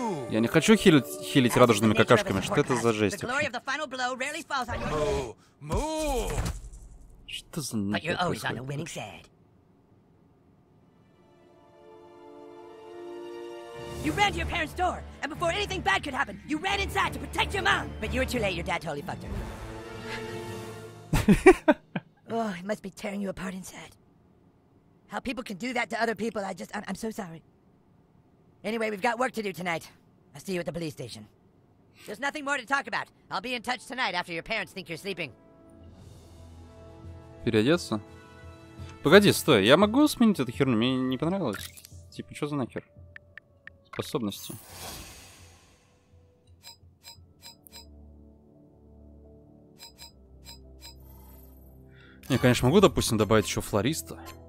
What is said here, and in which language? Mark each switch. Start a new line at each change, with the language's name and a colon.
Russian: Я не хочу хилить радужными какашками. Что это за жесть? Что за
English: You ran to your parents' door, and before anything bad could happen, you ran inside to protect your mom! But you were too late, your dad totally fucked her. Oh, it must be tearing you apart inside. How people can do that to other people, I'm so sorry. Anyway, we've got work to do tonight. I'll see you at the police station. There's nothing more to talk about. I'll be in touch tonight after your parents think you're sleeping.
Russian: Переодеться? Погоди, стой, я могу сменить эту херню? Мне не понравилось. Типа, что за нахер? Способности. Я, конечно, могу, допустим, добавить еще флориста.